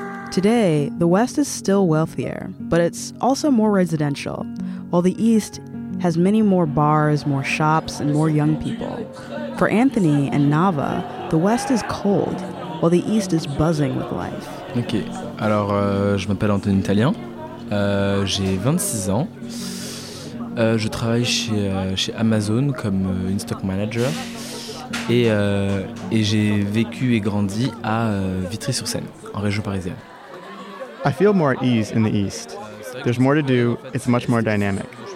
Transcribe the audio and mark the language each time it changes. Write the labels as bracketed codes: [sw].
[en] Today, the West is still wealthier, but it's also more residential, while the East has many more bars, more shops, and more young people. For Anthony and Nava, the West is cold, while the East is buzzing with life. [fr] Ok, alors je m'appelle Anthony Talien, j'ai 26 ans, je travaille chez Amazon comme une stock manager et j'ai vécu et grandi à Vitry-sur-Seine, en région parisienne. [en] I feel more at ease in the East. There's more to do, it's much more dynamic.